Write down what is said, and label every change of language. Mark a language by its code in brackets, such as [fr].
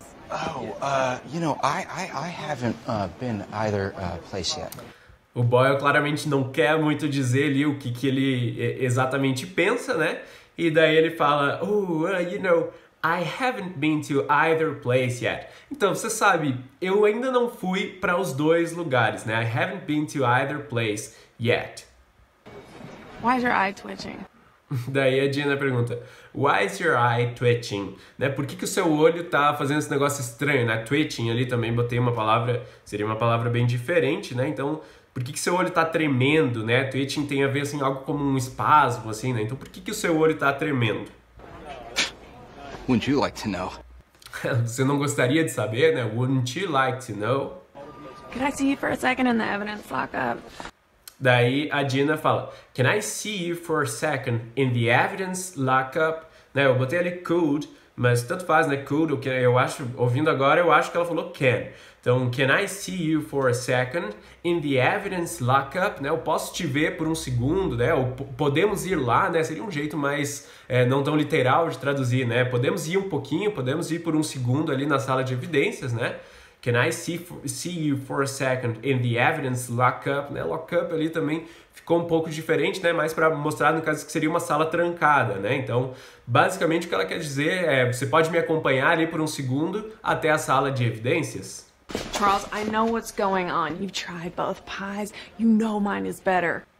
[en] Oh, you know, I haven't been either place yet. [pt] O Boyle claramente não quer muito dizer ali o que ele exatamente pensa, né? E daí ele fala, [en] you know, I haven't been to either place yet. [pt] Então, você sabe, eu ainda não fui para os dois lugares, né? [en] I haven't been to either place yet. Why is your eye twitching? [pt] Daí a Gina pergunta, [en] why is your eye twitching? Né? [pt] Por que que o seu olho tá fazendo esse negócio estranho, né? Twitching ali também, botei uma palavra, seria uma palavra bem diferente, né? Então, por que que seu olho tá tremendo, né? Twitching tem a ver, assim, algo como um espasmo, assim, né? Então, por que que o seu olho tá tremendo? [en] Wouldn't you like to know? [pt] Você não gostaria de saber, né? [en] Wouldn't you like to know? Can I see you for a second in the evidence lockup? [pt] Daí a Gina fala, [en] can I see you for a second in the evidence lockup? [pt] Né, eu botei ali could, mas tanto faz, né? Could, okay, eu acho, ouvindo agora, eu acho que ela falou can. [en] Então, can I see you for a second in the evidence lockup? [pt] Né, eu posso te ver por um segundo, né? Ou podemos ir lá, né? Seria um jeito mais não tão literal de traduzir, né? Podemos ir um pouquinho, podemos ir por um segundo ali na sala de evidências, né? [en] Can I see you for a second in the evidence lockup? [pt] Né, lockup ali também ficou um pouco diferente, né? Mais para mostrar, no caso, que seria uma sala trancada, né? Então, basicamente, o que ela quer dizer é você pode me acompanhar ali por um segundo até a sala de evidências? [en] Charles, I know what's going on. You've tried both pies. You know mine is better.